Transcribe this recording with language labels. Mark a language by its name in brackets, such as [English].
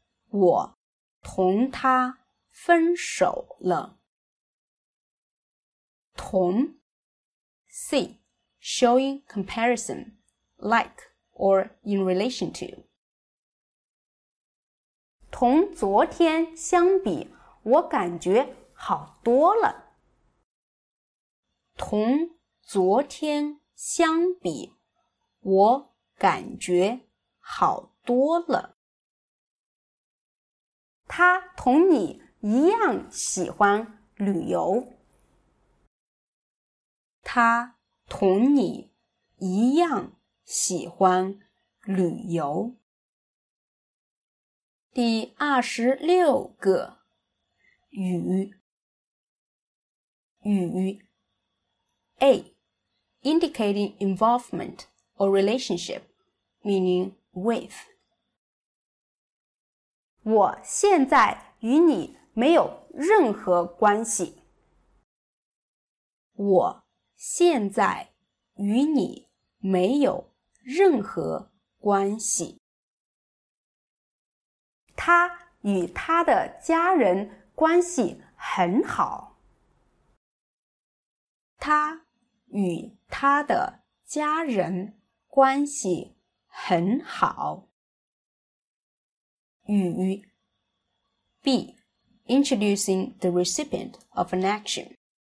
[Chinese] 我同他分手了。同。C. [English] Showing comparison, like or in relation to. [Chinese] 同昨天相比，我感觉好多了。同昨天相比，我感觉好多了。他同你一样喜欢旅游。他同你一样喜欢旅游。第26个，雨。雨。A. [English] Indicating involvement. Or relationship, meaning with. [Chinese] 我现在与你没有任何关系。我现在与你没有任何关系。他与他的家人关系很好。他与他的家人关系很好。与。B. [English] Introducing the recipient of an action.